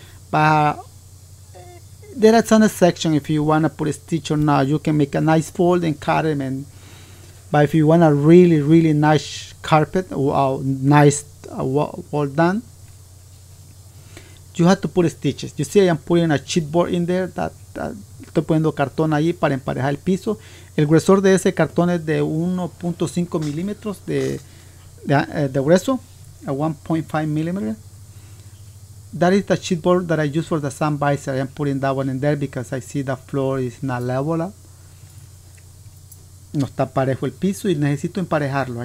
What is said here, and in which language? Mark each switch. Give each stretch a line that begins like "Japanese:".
English: But there is some section if you want to put a stitch or not, you can make a nice fold and cut them. And but if you want a really, really nice carpet, well done, you have to put stitches. You see, I am putting a chipboard in there.
Spanish: Estoy poniendo cartón ahí para emparejar el piso. El grosor de ese cartón es de 1.5 milímetros de grueso, 1.5 milímetros.
English: That is the chipboard that I use for the sun visor. I am putting that one in there because I see the floor is not level up.
Spanish: No está parejo el piso y necesito emparejarlo.